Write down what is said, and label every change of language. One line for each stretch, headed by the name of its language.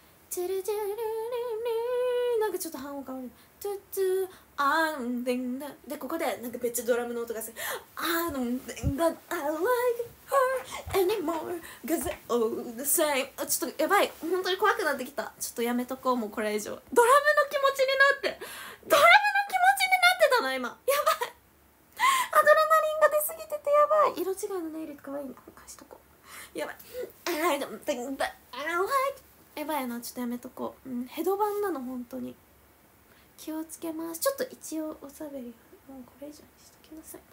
Japanese: チルチルリリリ、なんかちょっと半音変わる。トゥトゥアンデンダ、でここでなんかめっちゃドラムの音がする。
English: I don't think that I like her anymore cause all the same。
Japanese: ちょっとやばい、本当に怖くなってきた。ちょっとやめとこう、もうこれ以上ドラムの気持ちになって、ドラムの気持ちになってたの今。やばい、アドレナリンが出すぎててやばい。色違いのネイルかわいいな、貸しとこう。やばい、
English: I don't think that I like、
Japanese: やばいな、ちょっとやめとこう、うん、ヘドバンなの本当に気をつけます。ちょっと一応おしゃべり、もうこれ以上にしときなさい。